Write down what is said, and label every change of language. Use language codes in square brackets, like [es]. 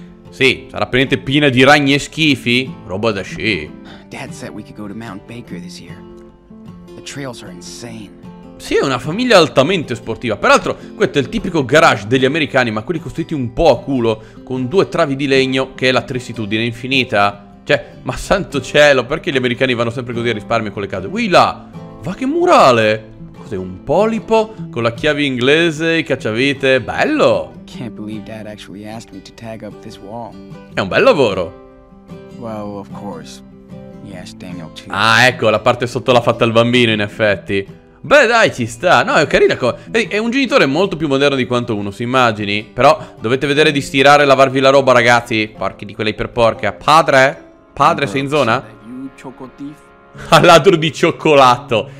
[it] Sì, sarà praticamente piena di ragni e schifi. Roba da sci. [en] Dad said we could go to Mount Baker this year. The trails are insane. [it] Sì, è una famiglia altamente sportiva. Peraltro, questo è il tipico garage degli americani, ma quelli costruiti un po' a culo, con due travi di legno, che è la tristitudine infinita. Cioè, ma santo cielo, perché gli americani vanno sempre così a risparmio con le case? Ui là, va che murale. Cos'è, un polipo con la chiave inglese, i cacciavite, bello. [en] Can't believe Dad actually asked me to tag up this wall. [it] È un bel lavoro. [en] Well, of course. He asked Daniel too. [it] Ah, ecco, la parte sotto l'ha fatta il bambino, in effetti. Beh, dai, ci sta. No, è carina. È un genitore molto più moderno di quanto uno si immagini. Però dovete vedere di stirare e lavarvi la roba, ragazzi. Porchi di quella iperporca. Padre? Padre, sei in zona? Al ladro di cioccolato.